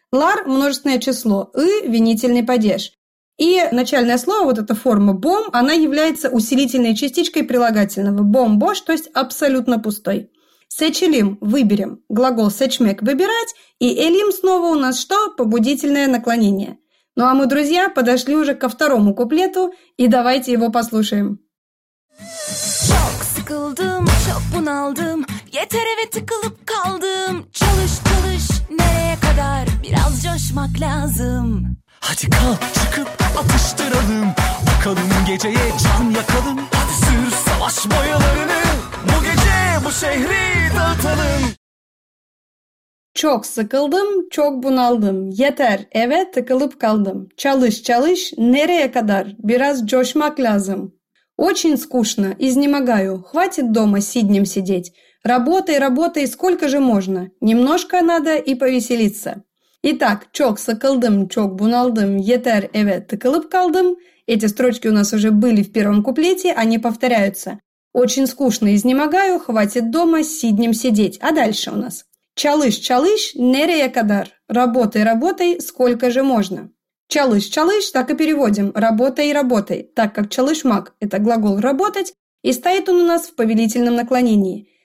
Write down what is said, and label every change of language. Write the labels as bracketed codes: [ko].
[ru] Лар – множественное число, ы – винительный падеж. И начальное слово, вот эта форма бом, она является усилительной частичкой прилагательного. Бомбош, то есть абсолютно пустой. Сечелим – выберем. Глагол сечмек – выбирать. И элим снова у нас что? Побудительное наклонение. Ну а мы, друзья, подошли уже ко второму куплету, и давайте его послушаем. [tr] Çok sıkıldım, çok bunaldım, yeter eve tıkılıp kaldım. Çalış çalış, nereye kadar, biraz coşmak lazım. Hadi kalk, çıkıp atıştıralım, bakalım geceye can yakalım. Hadi sür savaş boyalarını, bu gece bu şehri dağıtalım. Çok sıkıldım, çok bunaldım. Yeter, eve tıkılıp kaldım. Çalış, çalış, nereye kadar? Biraz coşmak lazım. [ru] Очень скучно, изнемогаю. Хватит дома сиднем сидеть. Работай, работай, сколько же можно? Немножко надо и повеселиться. [tr] Итак, çok sıkıldım, çok bunaldım. Yeter, eve tıkılıp kaldım. [ru] Эти строчки у нас уже были в первом куплете, они повторяются. Очень скучно, изнемогаю. Хватит дома сиднем сидеть. А дальше у нас? [tr] Чалыш, чалыш, нерея кадар. [ru] Работай, работай, сколько же можно. [tr] Чалыш, чалыш, [ru] так и переводим. Работай, работай. Так как чалышмак – это глагол «работать», и стоит он у нас в повелительном наклонении.